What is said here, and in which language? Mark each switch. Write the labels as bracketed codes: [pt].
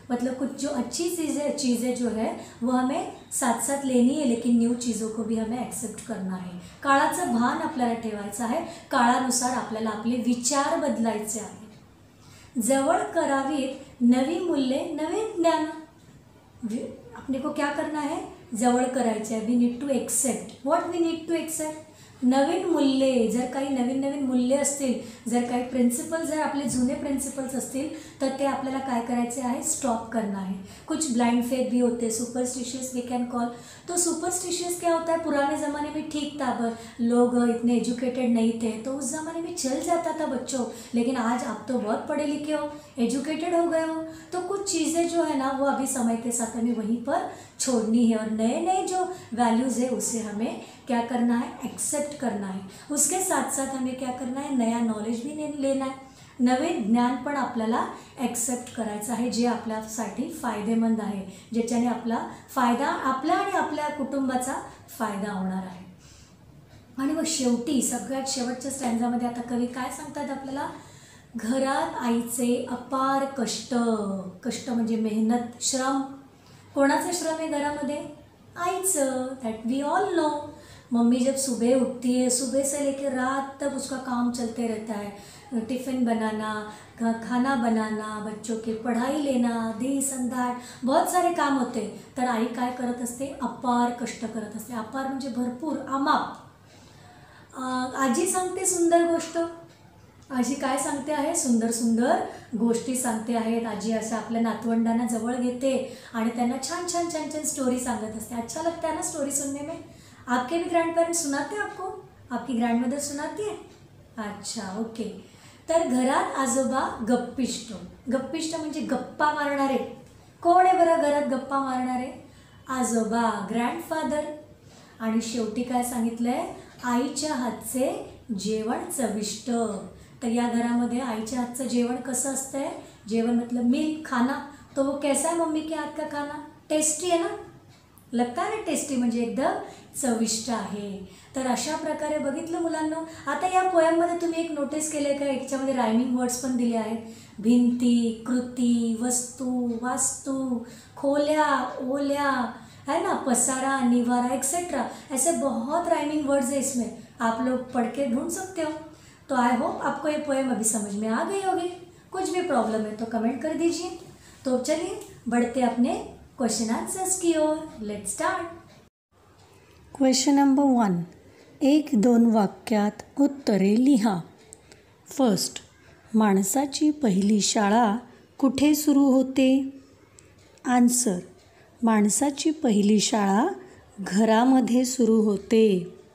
[hi] मतलब कुछ जो अच्छी चीज़ें जो है वो हमें साथ साथ लेनी है, लेकिन न्यू चीज़ों को भी हमें एक्सेप्ट करना है. [mr] काळाचं भान आपल्याला ठेवायचं आहे, काळानुसार आपल्याला आपले विचार बदलायचे आहे. जवळ करावीत नवी मूल्ये नवीन ज्ञान. [hi] अपने को क्या करना है? [mr] जवळ करायचे आहे. [en] We need to accept. What we need to accept? [mr] नवीन मूल्ये. जर काही नवीन नवीन मूल्ये असतील, जर काही प्रिन्सिपल्स, जर आपले जुने प्रिन्सिपल्स असतील, तर ते आपल्याला काय करायचे आहे? स्टॉप करणं आहे. [hi] कुछ ब्लाइंड फेथ भी होते, [en] Superstitious we can call. [hi] तो सुपरस्टिशियस क्या होता है? पुराने जमाने में ठीक था, पर लोग इतने एजुकेटेड नहीं थे, तो उस जमाने में चल जाता था बच्चों. लेकिन आज आप तो बहुत पढ़े लिखे हो, एजुकेटेड हो गए हो, तो कुछ चीज़ें जो है ना वो अभी समय के साथ हमें वहीं पर छोड़नी है, और नए नए जो वैल्यूज़ है उसे हमें क्या करना है? एक्सेप्ट करना है. उसके साथ साथ हमें क्या करना है? नया नॉलेज भी लेना है. [mr] नवे ज्ञान पण आपल्याला ॲक्सेप्ट करायचं आहे, जे आपल्यासाठी फायदेमंद आहे, ज्याच्याने आपला फायदा, आपला आणि आपल्या कुटुंबाचा फायदा होणार आहे. आणि मग शेवटी, सगळ्यात शेवटच्या स्टँजामध्ये आता कवी काय सांगतात आपल्याला? घरात आईचे अपार कष्ट. कष्ट म्हणजे मेहनत, श्रम. कोणाचं श्रम आहे घरामध्ये? आईचं. [en] That we all know. [hi] Mummy जब सुबह उठती है, सुबह से लेकर रात तक उसका काम चलते रहता है. टिफिन बनाना, खाना बनाना, बच्चों के पढ़ाई लेना, [en] this and that, [hi] बहुत सारे काम होते. [mr] तर आई काय करत असते? अपार कष्ट करत असते. अपार म्हणजे भरपूर, अमाप. आजी सांगते सुंदर गोष्ट. आजी काय सांगते आहे? सुंदर सुंदर गोष्टी सांगते आहेत. आजी असं आपल्या नातवंडांना जवळ घेते आणि त्यांना छान छान छान छान स्टोरी सांगत असते. [hi] अच्छा लगता है ना स्टोरी सुनने में? आपके भी ग्रँड पेरेंट्स सुनाते आपको? आपकी ग्रँड मदर सुनाती है? [mr] अच्छा, ओके. तर घरात आजोबा गप्पिष्ट. गप्पिष्ट म्हणजे गप्पा मारणारे. कोण आहे बरं घरात गप्पा मारणारे? आजोबा, ग्रँडफादर. आणि शेवटी काय सांगितलंय? आईच्या हातचे जेवण चविष्ट. तर या घरामध्ये आईच्या हातचं जेवण कसं असतंय? [hi] जेवण म्हटलं मिल्क, खाना. तो कैसा आहे मम्मी के हात का खाना? टेस्टी आहे ना? लगता ना टेस्टी, [mr] म्हणजे एकदम चविष्ट आहे. तर अशा प्रकारे बघितलं मुलांनो. आता या पोयममध्ये तुम्ही एक नोटीस केले का, याच्यामध्ये रायमिंग वर्ड्स पण दिले आहेत. [hi] भिंती, कृती, वस्तू, वास्तू, खोल्या, ओल्या, है ना, पसारा, निवारा, एक्सेट्रा, ऐसे बहुत राइमिंग वर्ड्स है इसमें, आप लोग पढ़ के ढूंढ सकते हो. तो आई होप आपको ये पोएम अभी समझ में आ गई होगी. कुछ भी प्रॉब्लम है तो कमेंट कर दीजिए. तो चलिए बढ़ते अपने क्वेश्चन आंसर्स की ओर. [en] Let's start. Question number 1. [mr] एक दोन वाक्यात उत्तरे लिहा. फर्स्ट, माणसाची पहिली शाळा कुठे सुरू होते? आंसर, माणसाची पहिली शाळा घरामध्ये सुरू होते.